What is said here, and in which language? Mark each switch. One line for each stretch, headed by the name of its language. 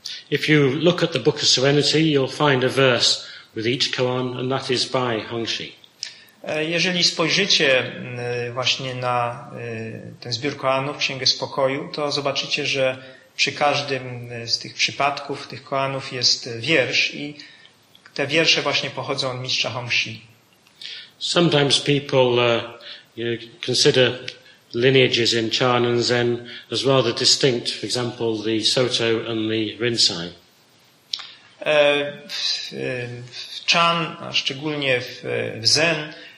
English: If you look at the Book of Serenity, you'll find a verse with each koan, and that is by Hongxi.
Polish: Jeżeli spojrzycie właśnie na ten zbiór koanów, Księgę Spokoju, to zobaczycie, że przy każdym z tych przypadków, tych koanów jest wiersz i te wiersze właśnie pochodzą od mistrza Hongxi.
English: Sometimes people consider lineages in Chan and Zen as rather distinct, for example, the Soto and the Rinzai.
Polish: W Chan, a szczególnie w Zen,